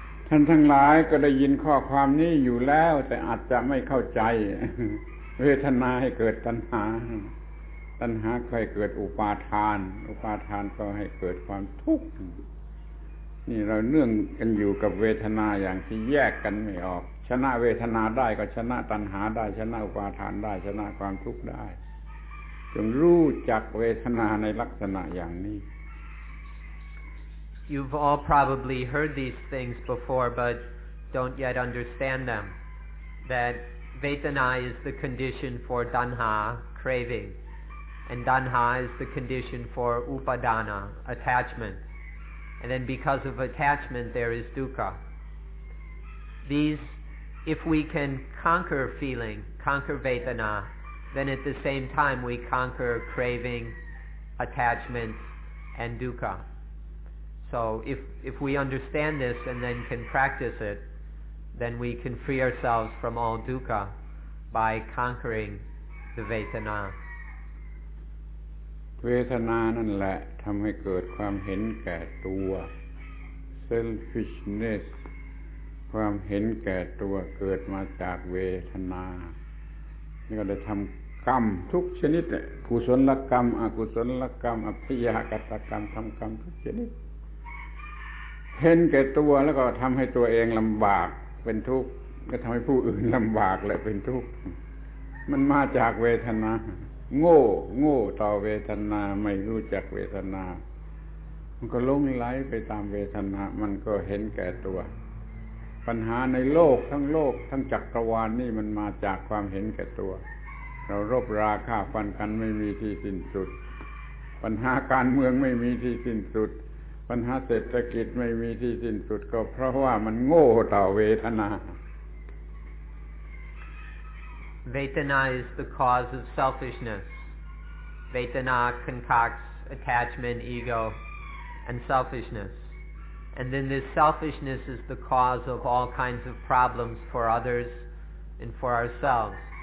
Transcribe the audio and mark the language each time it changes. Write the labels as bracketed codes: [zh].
[th] ท่านทั้งหลายก็ได้ยินข้อความนี้อยู่แล้วแต่อาจจะไม่เข้าใจเวทนาให้เกิดตัณหาก็ให้เกิดอุปาทานก็ให้เกิดความทุกข์นี่เราเนื่องกันอยู่กับเวทนาอย่างที่แยกกันไม่ออกชนะเวทนาได้ก็ชนะตัณหาได้ชนะอุปาทานได้ชนะความทุกข์ได้จงรู้จักเวทนาในลักษณะอย่างนี้ [en] You've all probably heard these things before but don't yet understand them, that vedana is the condition for tanha, craving, and tanha is the condition for upadana, attachment, and then because of attachment there is dukkha. These, if we can conquer feeling, conquer vedana, then at the same time we conquer craving, attachment, and dukkha. So if we understand this and then can practice it, then we can free ourselves from all dukkha by conquering the vedana. [th] Vedana นั่นแหละทำให้เกิดความเห็นแก่ตัว selfishness ความเห็นแก่ตัวเกิดมาจากเวทนานี่ก็เลยทำกรรมทุกชนิดกุศลกรรมอกุศลกรรมอัพยากตกรรมทำกรรมทุกชนิด เห็นแก่ตัวแล้วก็ทำให้ตัวเองลำบากเป็นทุกข์ก็ทำให้ผู้อื่นลำบากและเป็นทุกข์มันมาจากเวทนาโง่ต่อเวทนาไม่รู้จักเวทนา มันก็ลงไหลไปตามเวทนามันก็เห็นแก่ตัวปัญหาในโลกทั้งโลกทั้งจักรวาล นี่มันมาจากความเห็นแก่ตัวเรารบราฆ่าฟันกันไม่มีที่สิ้นสุดปัญหาการเมืองไม่มีที่สิ้นสุดปัญหาเศรษฐกิจไม่มีที่สิ้นสุดก็เพราะว่ามันโง่ต่อเวทนา [en] เวทนา is the cause of selfishness. เวทนา concocts attachment, ego, and selfishness. And then this selfishness is the cause of all kinds of problems for others and for ourselves.